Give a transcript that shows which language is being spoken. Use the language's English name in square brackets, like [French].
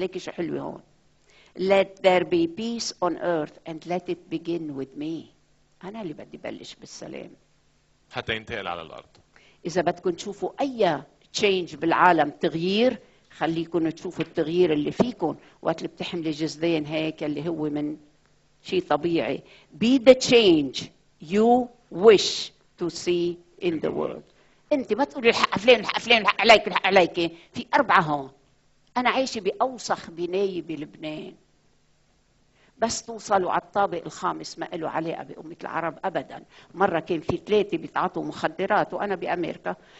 [Arabic] ليكي شو حلوه هون [English] Let there be peace on earth and let it begin with me. [Arabic] انا اللي بدي بلش بالسلام حتى ينتقل على الارض. اذا بدكم تشوفوا [English] اي تشينج [Arabic] بالعالم تغيير خليكم تشوفوا التغيير اللي فيكم وقت اللي بتحملي جزئين هيك اللي هو من شيء طبيعي. [English] Be the change you wish to see in the world. [Arabic] انت ما تقولي الحق فلان الحق فلان الحق عليك الحق عليك. في 4 هون. انا عايشه باوسخ بنايه بلبنان. بس توصلوا على الطابق الخامس ما له علاقه بامه العرب ابدا. مره كان في 3 بيتعاطوا مخدرات وانا بامريكا.